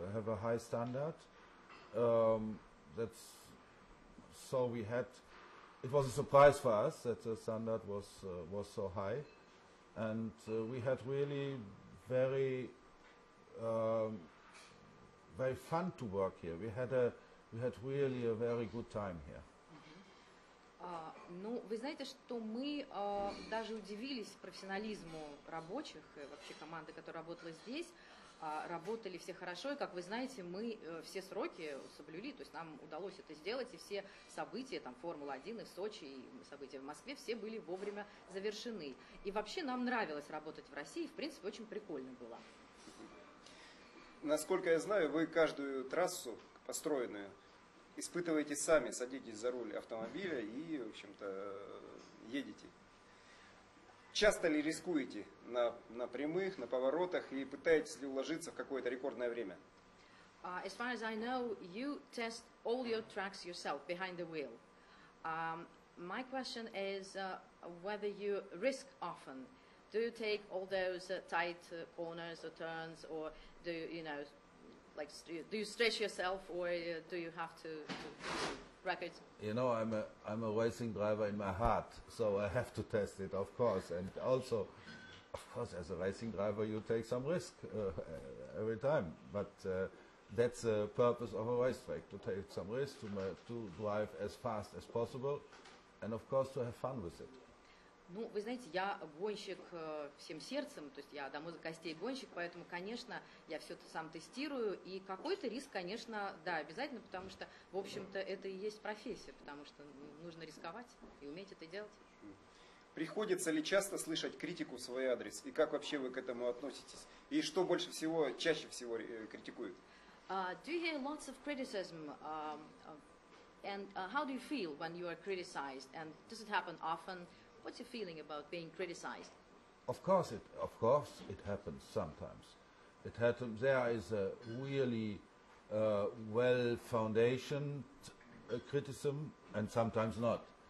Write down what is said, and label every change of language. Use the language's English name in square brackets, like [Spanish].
[English] We have a high standard. That's so we had, it was a surprise for us that the standard was so high. And we had really very, very fun to work here. We had really a very good time here. [Russian] Ну, вы знаете, что мы даже удивились профессионализму рабочих, вообще команды, которая работала здесь. Работали все хорошо, и, как вы знаете, мы все сроки соблюли, то есть нам удалось это сделать, и все события, там, Формула-1 и в Сочи, и события в Москве, все были вовремя завершены. И вообще нам нравилось работать в России, в принципе, очень прикольно было. Насколько я знаю, вы каждую трассу построенную испытываете сами, садитесь за руль автомобиля и, в общем-то, едете. Часто ли рискуете на прямых, на поворотах и пытаетесь ли уложиться в какое-то рекордное время? [English] As far as I know, you test all your tracks yourself behind the wheel. My question is whether you risk often. Do you take all those tight corners or turns, or do you know, like, do you stretch yourself, or do you have to record? You know, I'm a racing driver in my heart, so I have to test it, of course. And also, of course, as a racing driver, you take some risk every time. But that's the purpose of a racetrack, to take some risk, to drive as fast as possible, and of course, to have fun with it. [Russian] Ну, вы знаете, я гонщик всем сердцем, то есть я до мозга костей гонщик, поэтому, конечно, я все это сам тестирую, и какой-то риск, конечно, да, обязательно, потому что, в общем-то, это и есть профессия, потому что нужно рисковать и уметь это делать. Приходится ли часто слышать критику в свой адрес, и как вообще вы к этому относитесь, и что больше всего, чаще всего критикуют? [English] Do you hear lots of criticism? And how do you feel when you are criticized? And does it happen often? What's your feeling about being criticized? Of course it happens sometimes. It happens. There is a really well foundation criticism, and sometimes not.